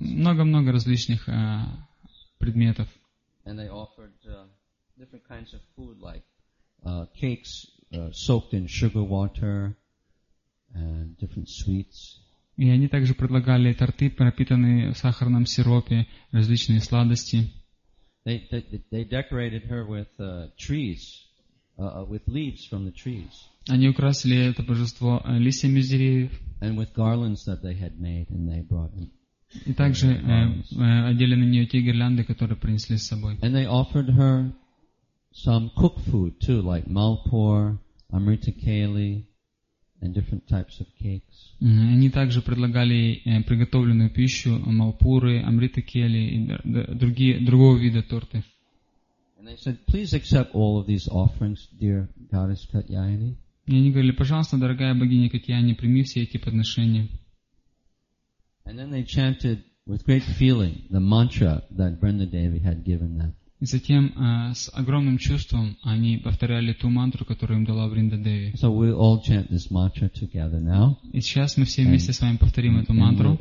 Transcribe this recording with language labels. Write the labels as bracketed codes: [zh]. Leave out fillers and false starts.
[ru] Много-много различных предметов. [en] And they offered different kinds of food, like cakes soaked in sugar water and different sweets. [ru] И они также предлагали торты, пропитанные в сахарном сиропе, различные сладости. [en] They decorated her with trees, with leaves from the trees. [ru] Они украсили это божество листьями с деревьев. [en] And with garlands that they had made, and they brought them. [ru] И также одели на нее те гирлянды, которые принесли с собой. [en] And they offered her some cooked food too, like malpur, amrita keli, and different types of cakes. [ru] Они также предлагали приготовленную пищу, малпуры, амрита кели и другого вида торты. [en] And they said, please accept all of these offerings, dear goddess Katyayani. [ru] И они говорили, пожалуйста, дорогая богиня Катьяни, прими все эти подношения. [en] And then they chanted with great feeling the mantra that Vrindadevi had given them. [ru] И затем с огромным чувством они повторяли ту мантру, которую им дала Вринда Деви. [en] So we all chant this mantra together now. [ru] И сейчас мы все вместе с вами повторим эту мантру.